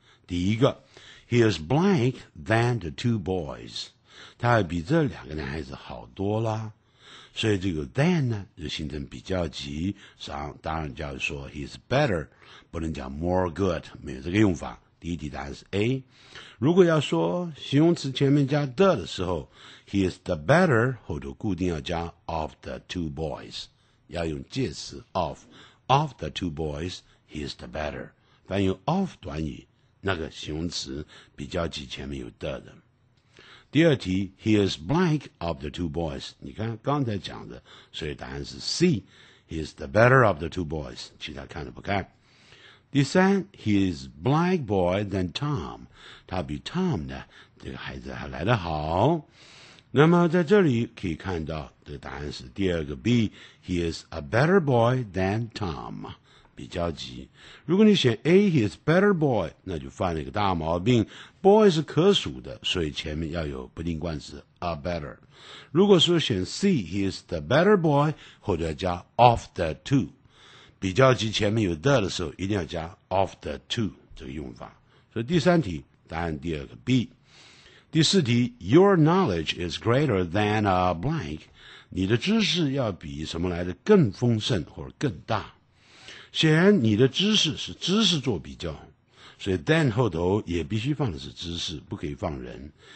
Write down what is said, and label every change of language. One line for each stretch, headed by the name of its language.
English: 第一个， He is blank than the two boys，
Chinese: 他比这两个男孩子好多了。所以这个 than 呢就形成比较级，当然就要说
English: he's better，
Chinese: 不能讲
English: more good，
Chinese: 没有这个用法。第一题答案是 A。如果要说形容词前面加 the 的时候，
English: he is the better，
Chinese: 后头固定要加
English: of the two boys，
Chinese: 要用介词 of，
English: of the two boys he is the better，
Chinese: 凡用 of 短语，那个形容词比较级前面有 the 的。第二题
English: ,he is blank of the two boys,
Chinese: 你看刚才讲的，所以答案是
English: C, he is the better of the two boys,
Chinese: 其他看都不看。第三 ,
English: he is blank boy than Tom,
Chinese: 他比 Tom 呢这个孩子还来得好。那么在这里可以看到的答案是第二个 B,
English: he is a better boy than Tom,
Chinese: 比较级。如果你选 A,
English: he is better boy,
Chinese: 那就犯了一个大毛病，boy 是可数的，所以前面要有不定冠词
English: a better。
Chinese: 如果说选 C,
English: he is the better boy,
Chinese: 或者加
English: of the two,
Chinese: 比较级前面有 the 的时候一定要加 of the two 这个用法。所以第三题答案第二个 B。第四题
English: your knowledge is greater than a blank,
Chinese: 你的知识要比什么来的更丰盛或者更大，显然你的知识是知识做比较，所以 than 后头也必须放的是知识，不可以放人。